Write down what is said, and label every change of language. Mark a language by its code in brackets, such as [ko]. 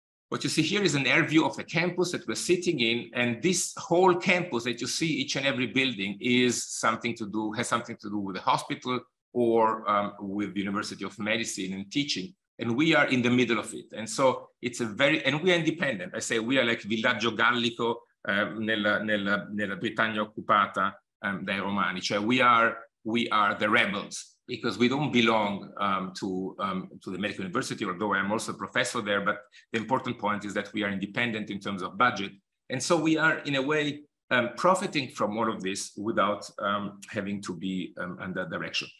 [en] What you see here is an air view of the campus that we're sitting in, and this whole campus that you see, each and every building, has something to do with the hospital, or with the University of Medicine and teaching. and we are in the middle of it. And so it's a very, and we are independent. I say we are like [it] Villaggio Gallico nella Britannia occupata dai Romani. [en] Cioè we are the rebels, because we don't belong to the medical university, although I'm also a professor there. But the important point is that we are independent in terms of budget. And so we are, in a way, profiting from all of this without having to be under direction.